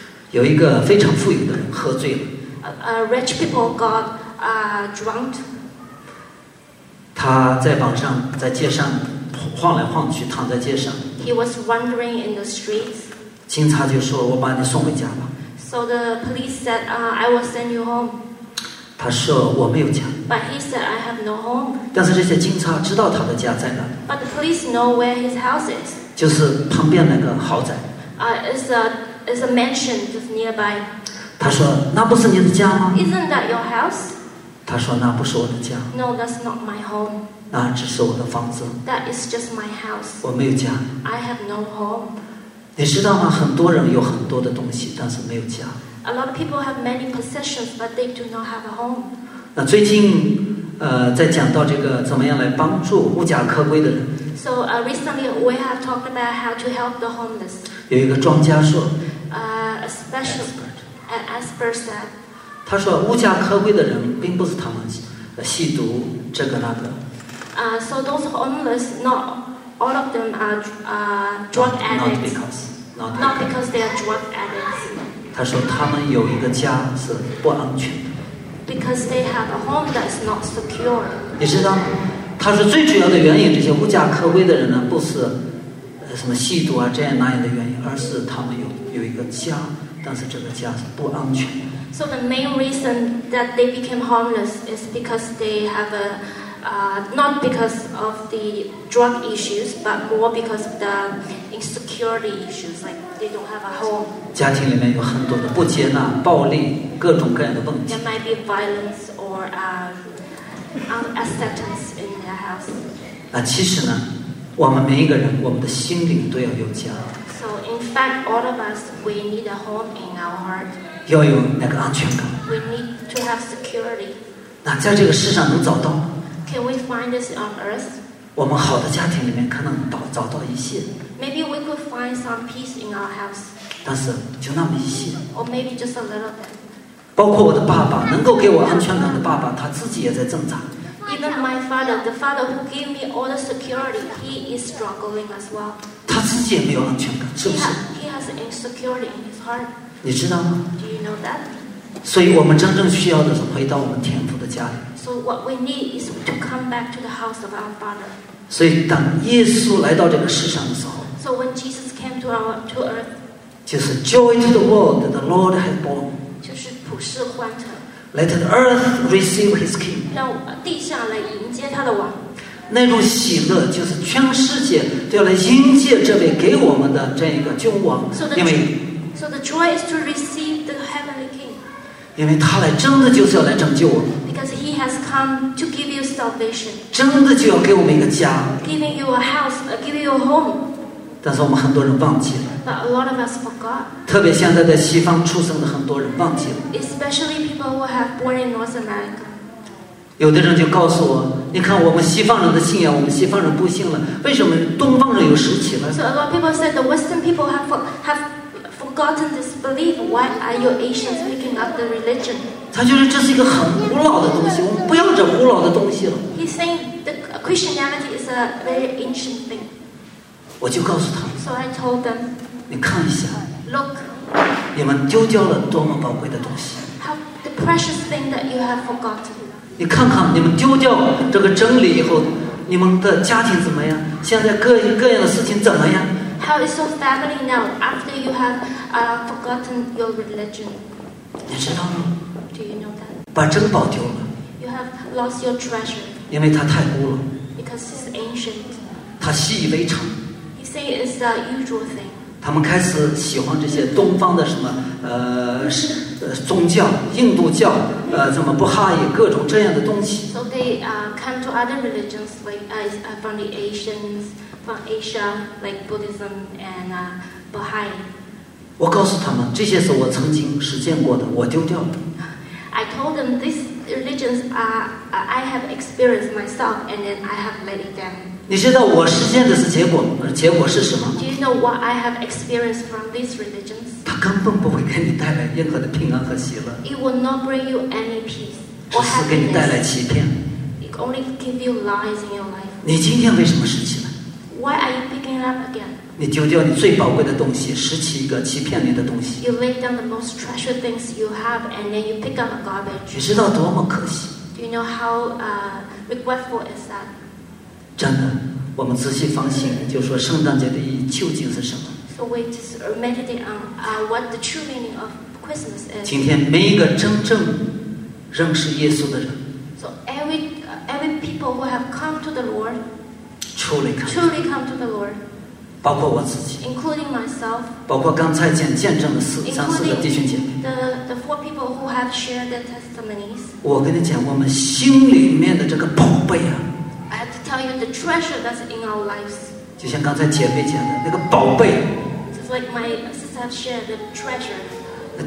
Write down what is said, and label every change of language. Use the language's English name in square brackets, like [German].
[Chinese] 有一个非常富有的人喝醉了。 [English] A rich people got drunk. [Chinese] 他在晚上在街上晃来晃去，躺在街上。 [English] He was wandering in the streets. [Chinese] 警察就说：“我把你送回家吧。” [English] So the police said, "I will send you home." [Chinese] 他说我没有家。 [English] But he said I have no home. [Chinese] 但是这些警察知道他的家在哪。 [English] But the police know where his house is. [Chinese] 就是旁边那个豪宅。 [English] is a mansion just nearby. [Chinese] 他说那不是你的家吗 [English] Isn't that your house? [Chinese] 他说那不是我的家 [English] No, that's not my home. [Chinese] 那只是我的房子 [English] That is just my house. [Chinese] 我没有家 [English] I have no home. [Chinese] 你知道吗很多人有很多的东西但是没有家 [English] A lot of people have many possessions, but they do not have a home. [Chinese] 那最近在讲到这个怎么样来帮助无家可归的人 [English] So, recently we have talked about how to help the homeless. [Chinese] 有一个专家说 [English] a special expert. An expert said, [Chinese] 他说无家可归的人并不是他们吸毒这个那个 [English] So those homeless, not all of them are drug addicts. Not because they are drug addicts. [Chinese] 他说他们有一个家是不安全的 [English] Because they have a home that's not secure. [Chinese] 你知道吗？他说最主要的原因，这些无家可归的人呢，不是什么吸毒啊这样那样的原因，而是他们有一个家，但是这个家是不安全的。 [English] So the main reason that they became homeless is because they have a not because of the drug issues, but more because of the insecurity issues, like they don't have a home. [Chinese] 家庭里面有很多的不接纳、暴力。各种各样的问题。 [English] There might be violence or acceptance in their house. [Chinese] 那其实呢，我们每一个人，我们的心灵都要有家。 [English] So in fact, all of us, we need a home in our heart. [Chinese] 要有那个安全感。 [English] We need to have security. [Chinese] 那在这个世上能找到 [English] ？Can we find this on earth? [Chinese] 我们好的家庭里面可能找到一些。 [English] Maybe we could find some peace in our house. [Chinese] 但是就那么一些。 [English] Or maybe just a little bit. [Chinese] 包括我的爸爸，能够给我安全感的爸爸，他自己也在挣扎。 [English] Even my father, the father who gave me all the security, he is struggling as well. [Chinese] 他自己也没有安全感，是不是 [English] ？He has insecurity in his heart. [Chinese] 你知道吗 [English] ？Do you know that? [Chinese] 所以我们真正需要的是回到我们天父的家里。 [English] So what we need is to come back to the house of our father. [Chinese] 所以当耶稣来到这个世上的时候 [English] ，So when Jesus came to our to earth, [Chinese] 就是 [English] joy to the world that the Lord has born. [Chinese] 就是 [English] Let the earth receive his king. [Chinese] 让地上来迎接他的王。那种喜乐就是全世界都要来迎接这位给我们的这一个君王。 [English] So the joy is to receive the heavenly king. [Chinese] 因为他来真的就是要来拯救我们。 [English] Because he has come to give you salvation. [Chinese] 真的就要给我们一个家。 [English] Giving you a house, giving you a home. [Chinese] 但是我们很多人忘记了。 [English] But a lot of us forgot. [Chinese] 特别现在在西方出生的很多人忘记了。 [English] Especially people who have born in North America. [Chinese] 有的人就告诉我，你看我们西方人的信仰，我们西方人不信了，为什么东方人又拾起了 [English] ？So a lot of people said the Western people have forgotten this belief. Why are you Asians picking up the religion? [Chinese] 他就是这是一个很古老的东西，我们不要这古老的东西了。 [English] He's saying the Christianity is a very ancient thing. [Chinese] 我就告诉他。 [English] So I told them. [Chinese] 你看一下 [English] ，Look， [Chinese] 你们丢掉了多么宝贵的东西。 [English] How the precious thing that you have forgotten。 [Chinese] 你看看，你们丢掉这个真理以后，你们的家庭怎么样？现在各样的事情怎么样 [English] ？How is your family now after you have forgotten your religion？ [Chinese] 你知道吗 [English] ？Do you know that？ [Chinese] 把珍宝丢了。 [English] You have lost your treasure。 [Chinese] 因为它太古了。 [English] Because it's ancient。 [Chinese] 它习以为常。 [English] You say it's a usual thing。 [Chinese] 他们开始喜欢这些东方的什么宗教印度教什么布哈伊各种这样的东西 [English] so they come to other religions like from the Asians from Asia like Buddhism and Baha'i [Chinese] 我告诉他们这些是我曾经实践过的我丢掉的 [English] I told them these religions are I have experienced myself and then I have let it down [Chinese] 你知道我实践的是结果是什么 [English] ？Do you know what I have experienced from these religions？ [Chinese] 它根本不会给你带来任何的平安和喜乐。 [English] It will not bring you any peace。 [Chinese] 只是给你带来欺骗。 [English] It only give you lies in your life。 [Chinese] 你今天为什么拾起来 [English] ？Why are you picking up again？ [Chinese] 你丢掉你最宝贵的东西，拾起一个欺骗你的东西。 [English] You lay down the most treasured things you have, and then you pick up a garbage。 [Chinese] 你知道多么可惜 [English] ？Do you know how regretful is that？ [Chinese] 真的，我们仔细反省，就说圣诞节的意义究竟是什么 [English] ？So we just meditate on what the true meaning of Christmas is. [Chinese] 今天每一个真正认识耶稣的人 [English] ，So every people who have come to the Lord truly come to the Lord， [Chinese] 包括我自己 [English] including myself, [Chinese] 包括刚才见见证的四三四个弟兄姐妹 [English] the four people who have shared their testimonies, [Chinese] 我跟你讲我们心里面的这个宝贝啊 [English] I have to tell you the treasure that's in our lives, [Chinese] 就像刚才姐妹讲的那个宝贝 [English] just like my sister shared the treasure,